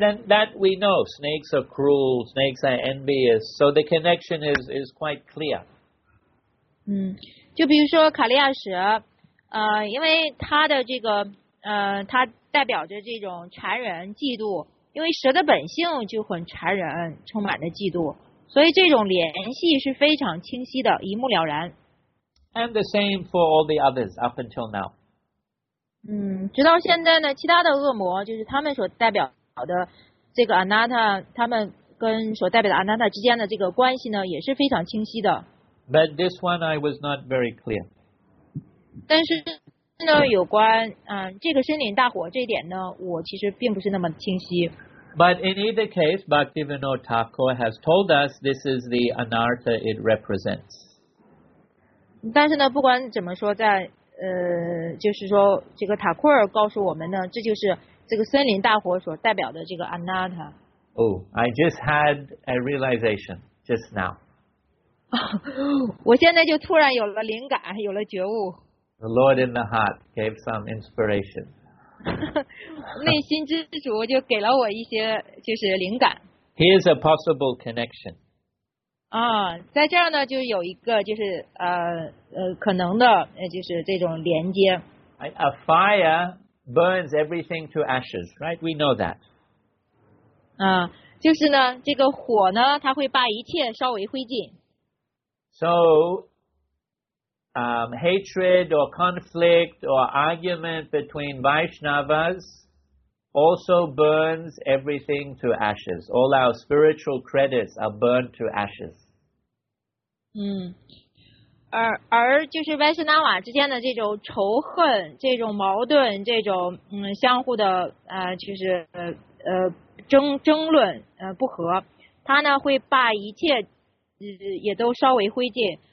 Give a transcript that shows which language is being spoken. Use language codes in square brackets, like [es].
[en] And that we know, snakes are cruel, snakes are envious, so the connection is quite clear. [zh] 就比如说卡利亚蛇，因为它的这个，它代表着这种残忍、嫉妒。因为蛇的本性就很残忍，充满了嫉妒，所以这种联系是非常清晰的，一目了然。 [en] And the same for all the others up until now. [zh] 直到现在呢，其他的恶魔就是他们所代表的这个 anatta， 他们跟所代表的 anatta 之间的这个关系呢，也是非常清晰的。 [en] But this one I was not very clear. [zh] 但是那有关这个森林大火这一点呢，我其实并不是那么清晰。 [en] But in either case, Bhaktivinoda Thakur has told us this is the anartha it represents. [zh] 但是呢，不管怎么说，在就是说这个塔库尔告诉我们呢，这就是这个森林大火所代表的这个 anartha。 [en] Oh, I just had a realization just now. [zh] 我现在就突然有了灵感，有了觉悟。 [en] The Lord in the heart gave some inspiration. [zh] 内心之主就给了我一些就是灵感。 [en] Here's a possible connection. [zh] 在这儿呢就有一个就是可能的就是这种连接。 [en] A fire burns everything to ashes, right? We know that. [zh] 就是呢这个火呢它会把一切烧为灰烬。 [en] So,hatred or conflict or argument between Vaishnavas also burns everything to ashes. All our spiritual credits are burned to ashes. [zh] 而就是 Vaishnava 之间的这种仇恨，这种矛盾，这种相互的就是争论不和，它呢会把一切也都烧为灰烬。